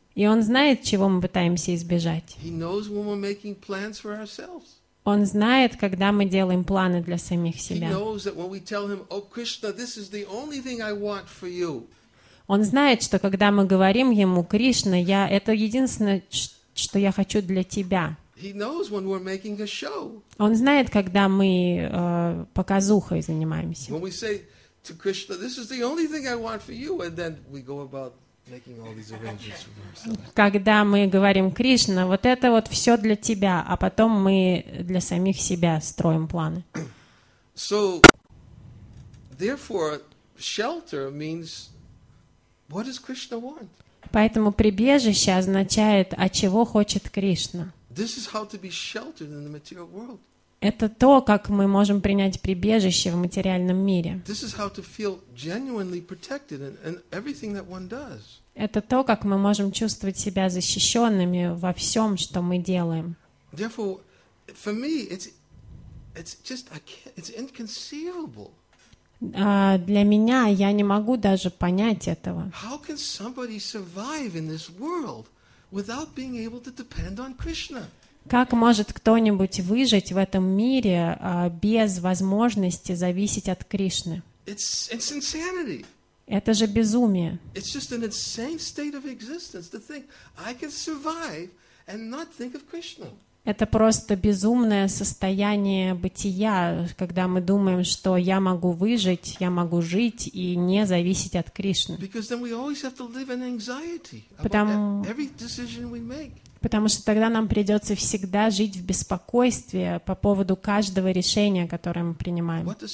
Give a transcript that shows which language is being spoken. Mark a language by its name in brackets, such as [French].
[Russian] И он знает, чего мы пытаемся избежать. [English] He knows when we're making plans for ourselves. [Russian] Он знает, когда мы делаем планы для самих себя. [English] He knows that when we tell him, "Oh, Krishna, this is the only thing I want for you." [Russian] Он знает, что когда мы говорим ему, Кришна, я это единственное, что я хочу для тебя. [English] He knows when we're making a show. [Russian] Он знает, когда мы показухой занимаемся. [English] When we say to Krishna, "This is the only thing I want for you," and then we go about making all these arrangements for ourselves. [Russian] Когда мы говорим Кришна, вот это вот все для тебя, а потом мы для самих себя строим планы. [English] So, therefore, shelter means what does Krishna want? [Russian] Поэтому прибежище означает, а чего хочет Кришна? [English] This is how to be sheltered in the material world. [Russian] Это то, как мы можем принять прибежище в материальном мире. [English] This is how to feel genuinely protected in everything that one does. [Russian] Это то, как мы можем чувствовать себя защищенными во всем, что мы делаем. [English] Therefore, for me, it's inconceivable. [Russian] Для меня я не могу даже понять этого. [English] How can somebody survive in this world? Without being able to depend on Krishna. [Russian] Как может кто-нибудь выжить в этом мире без возможности зависеть от Кришны? [English] It's insanity. [Russian] Это же безумие. [English] It's just an insane state of existence to think I can survive and not think of Krishna. [Russian] Это просто безумное состояние бытия, когда мы думаем, что я могу выжить, я могу жить и не зависеть от Кришны. Потому что тогда нам придется всегда жить в беспокойстве по поводу каждого решения, которое мы принимаем.